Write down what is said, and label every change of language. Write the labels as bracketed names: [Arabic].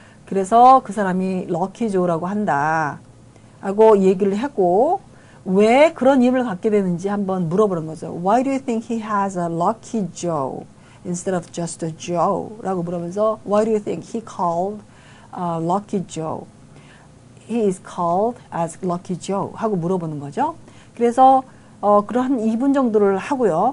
[Korean] 그래서 그 사람이 럭키 조라고 한다. 하고 얘기를 하고 왜 그런 이름을 갖게 되는지 한번 물어보는 거죠. [English] Why do you think he has a lucky Joe instead of just a Joe? [Korean] 라고 물으면서 [English] Why do you think he called lucky Joe? He is called as lucky Joe. [Korean] 하고 물어보는 거죠. 그래서 그러한 2분 정도를 하고요.